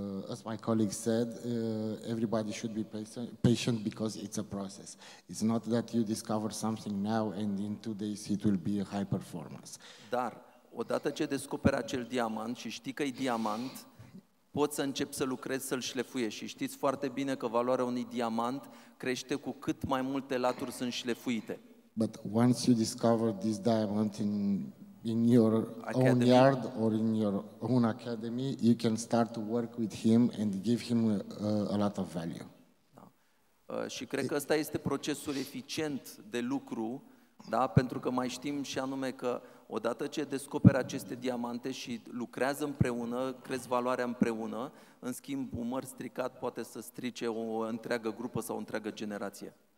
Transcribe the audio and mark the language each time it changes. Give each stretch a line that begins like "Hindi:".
English: as my colleague said, everybody should be patient because it's a process. It's not that you discover something now and in 2 days it will be a high performance.
Romanian: Dar odată ce descoperi acel diamant și știi că e diamant, poți să începi să lucrezi, să-l șlefuiești. Și știți foarte bine că valoarea unui diamant crește cu cât mai multe laturi sunt șlefuite.
English: But once you discover this diamond in your academy. Own yard or in your own academy, you can start to work with him and give him a lot of value.
Romanian: Da. Și cred că ăsta este procesul eficient de lucru, da? Pentru că mai știm și anume că odată ce descoperi aceste diamante și lucrează împreună, crezi valoarea împreună, în schimb, umăr stricat poate să strice o întreagă grupă sau o întreagă generație.